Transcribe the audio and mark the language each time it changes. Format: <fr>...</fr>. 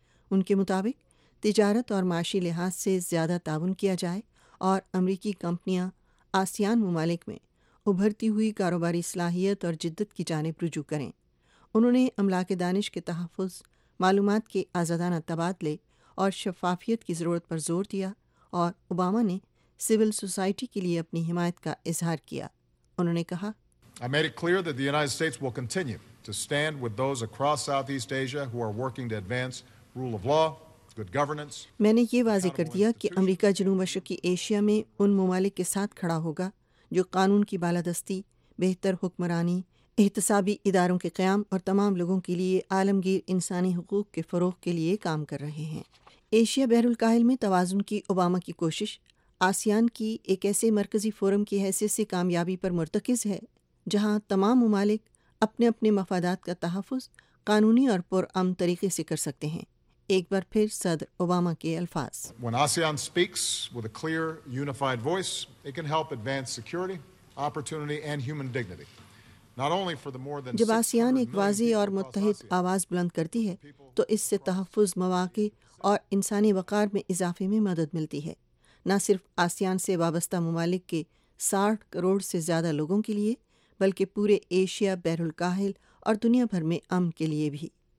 <ur>ان کے مطابق تجارت اور معاشی لحاظ سے زیادہ تعاون کیا جائے اور امریکی کمپنیاں آسیان ممالک میں ابھرتی ہوئی کاروباری صلاحیت اور جدت کی جانب رجوع کریں. انہوں نے املاک دانش کے تحفظ، معلومات کے آزادانہ تبادلے اور شفافیت کی ضرورت پر زور دیا، اور اوباما نے سول سوسائٹی کے لیے اپنی حمایت کا اظہار کیا. انہوں نے کہا</ur> <en>I made it clear that the United States will continue to stand with those across Southeast Asia who are working to advance rule of law, good governance.</en> <ur>میں نے یہ واضح کر دیا کہ امریکہ جنوب مشرقی ایشیا میں ان ممالک کے ساتھ کھڑا ہوگا جو قانون کی بالادستی، بہتر حکمرانی، احتسابی اداروں کے قیام اور تمام لوگوں کے لیے عالمگیر انسانی حقوق کے فروغ کے لیے کام کر رہے ہیں. ایشیا بحر الکاہل میں توازن کی اوباما کی کوشش آسیان کی ایک ایسے مرکزی فورم کی حیثیت سے کامیابی پر مرتکز ہے جہاں تمام ممالک اپنے اپنے مفادات کا تحفظ قانونی اور پرامن طریقے سے کر سکتے ہیں. ایک بار پھر صدر اوباما کے الفاظ</ur> <en>When ASEAN speaks with a clear, unified voice, it can help advance security, opportunity and human dignity. Not only for the more than</en> <ur>جب آسیان ایک واضح اور متحد آواز بلند کرتی ہے تو اس سے تحفظ مواقع اور انسانی وقار میں اضافے میں مدد ملتی ہے، نہ صرف آسیان سے وابستہ ممالک کے 60 کروڑ سے زیادہ لوگوں کے لیے بلکہ پورے ایشیا، بحر الکاہل اور دنیا بھر میں امن کے لیے بھی.</ur>